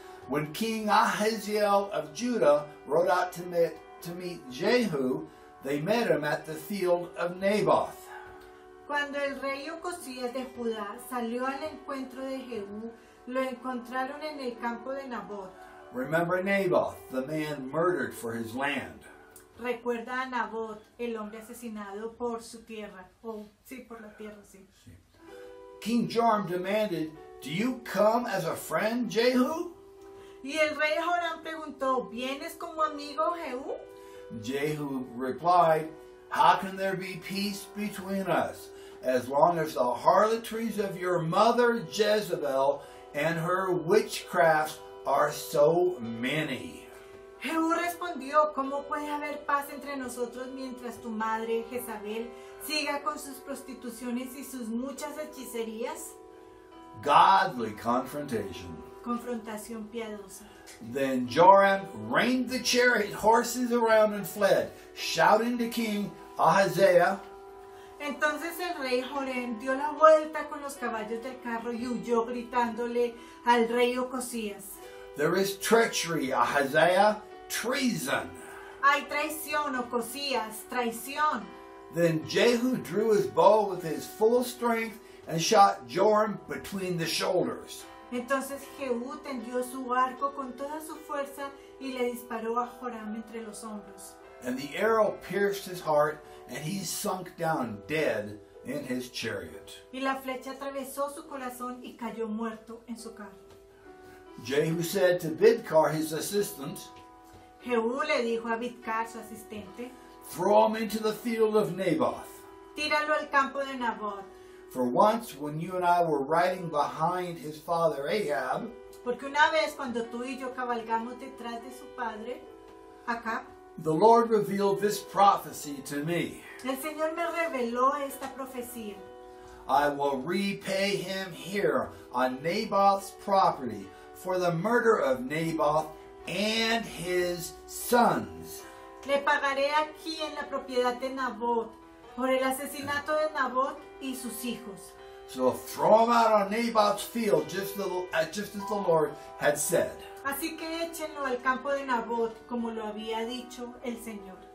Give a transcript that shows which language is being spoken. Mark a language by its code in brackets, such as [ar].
[en] When King Ahaziel of Judah rode out to meet Jehu, they met him at the field of Naboth. [es] Cuando el rey Ocosías de Judá salió al encuentro de Jehú, lo encontraron en el campo de Naboth. [en] Remember Naboth, the man murdered for his land. [es] Recuerda a Naboth, el hombre asesinado por su tierra. Por la tierra. [en] King Joram demanded, "Do you come as a friend, Jehu?" [es] Y el rey Joram preguntó, "¿Vienes como amigo, Jehú?" [en] Jehu replied, "How can there be peace between us as long as the harlotries of your mother Jezebel and her witchcrafts are so many?" [es] Jehú respondió, "¿Cómo puede haber paz entre nosotros mientras tu madre Jezabel siga con sus prostituciones y sus muchas hechicerías?" [en] Godly confrontation. [es] Confrontación piadosa. [en] Then Joram reined the chariot horses around and fled, shouting to King Ahaziah. [es] Entonces el rey Joram dio la vuelta con los caballos del carro y huyó gritándole al rey Ocosías. [en] There is treachery, Ahaziah, treason. [es] Hay traición, Ocosías, traición. [en] Then Jehu drew his bow with his full strength and shot Joram between the shoulders. [es] Entonces Jehú tendió su arco con toda su fuerza y le disparó a Joram entre los hombros. [en] And the arrow pierced his heart and he sunk down dead in his chariot. [es] Y la flecha atravesó su corazón y cayó muerto en su carro. [en] Jehú said to Bidkar, his assistant, [es] Jehú le dijo a Bidkar, su asistente, [en] throw him into the field of Naboth. [es] Tíralo al campo de Naboth. [en] For once, when you and I were riding behind his father Ahab, [es] porque una vez cuando tú y yo cabalgamos detrás de su padre, Acab, [en] the Lord revealed this prophecy to me. [es] El Señor me reveló esta profecía. [en] I will repay him here on Naboth's property for the murder of Naboth and his sons. [es] Le pagaré aquí en la propiedad de Naboth por el asesinato de Naboth y sus hijos. [en] So throw him out on Naboth's field, just as the Lord had said. [es] Así que échenlo al campo de Naboth, como lo había dicho el Señor.